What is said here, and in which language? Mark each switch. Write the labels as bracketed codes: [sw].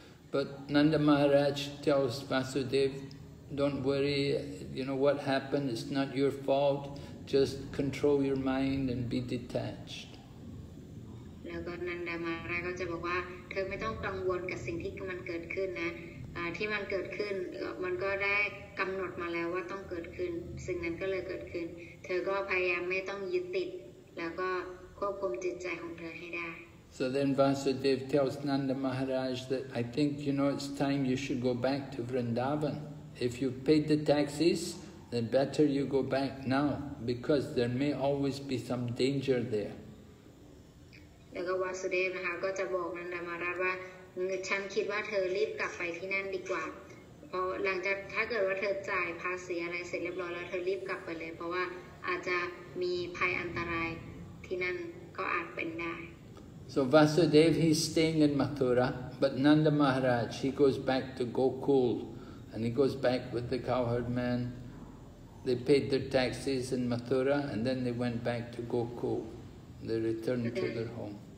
[en] But Nanda Maharaj tells Vasudev, don't worry, you know what happened, it's not your fault, just control your mind and be detached. [th] แล้วก็นันดามาราก็จะบอกว่าเธอไม่ต้องกังวลกับสิ่งที่มันเกิดขึ้นนะ ที่มันเกิดขึ้นมันก็ได้กำหนดมาแล้วว่าต้องเกิดขึ้นสิ่งนั้นก็เลยเกิดขึ้นเธอก็พยายามไม่ต้องยึดติดแล้วก็ควบคุมจิตใจของเธอให้ได้ [en] So then Vasudev tells Nanda Maharaj that I think you know it's time you should go back to Vrindavan if you paid the taxes then better you go back now because there may always be some danger there [th] แล้วก็ Vasudev นะคะก็จะบอกนันดามาราว่าฉันคิดว่าเธอรีบกลับไปที่นั่นดีกว่าเพราะหลังจากถ้าเกิดว่าเธอจ่ายภาษีอะไรเสร็จเรียบร้อยแล้วเธอรีบกลับไปเลยเพราะว่าอาจจะมีภัยอันตรายที่นั่นก็อาจเป็นได้ [en] So Vasudev he's staying in Mathura but Nanda Maharaj he goes back to Gokul and he goes back with the cowherd man they paid their taxes in Mathura and then they went back to Gokul they returned to their home